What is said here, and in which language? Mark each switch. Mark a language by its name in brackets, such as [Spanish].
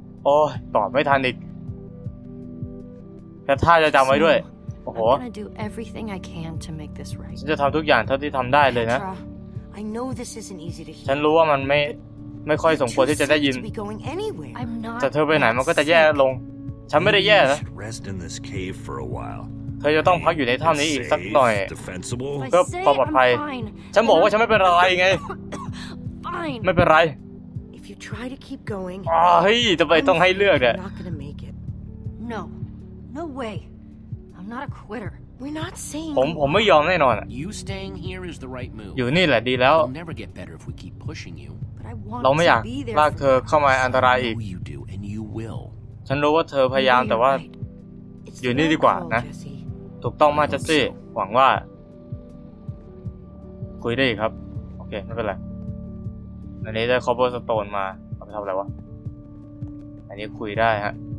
[Thai] Oh, ตอบไม่ทันอีกแต่ถ้าจะจำไว้ด้วยโอ้โห [English] I'm gonna do everything I can to make this right. [Thai] ฉันจะทำทุกอย่างเท่าที่ทำได้เลยนะ [English] I know this isn't easy to hear. [Thai] ฉันรู้ว่ามันไม่ค่อยสมควรที่จะได้ยินแต่เธอไปไหนมันก็จะแย่ลงฉันไม่ได้แย่นะ [English] Rest in this cave for a while. [Thai] เธอจะต้องพักอยู่ในถ้ำนี้อีกสักหน่อยเพื่อความปลอดภัยฉันบอกว่าฉันไม่เป็นไรไงไม่เป็นไร [English] Try to keep going. Oh, hey, [Thai] ทำไมต้องให้เลือกเนี่ย [English] I'm not gonna make it. No, no way. I'm not a quitter. We're not saying. [Thai] ผมไม่ยอมแน่นอน [English] You staying here is the right move. [Thai] อยู่นี่แหละดีแล้ว [English] We'll never get better if we keep pushing you. But I want to be there. [Thai] เราไม่อยากลากเธอเข้ามาอันตรายอีก [English] You do and you will. [Thai] ฉันรู้ว่าเธอพยายามแต่ว่าอยู่นี่ดีกว่านะถูกต้องมากเจสซี่หวังว่าคุยได้อีกครับโอเคไม่เป็นไรอันนี้ได้คอปเปอร์สโตนมาเอาไปทำอะไรวะอันนี้คุยได้ฮะ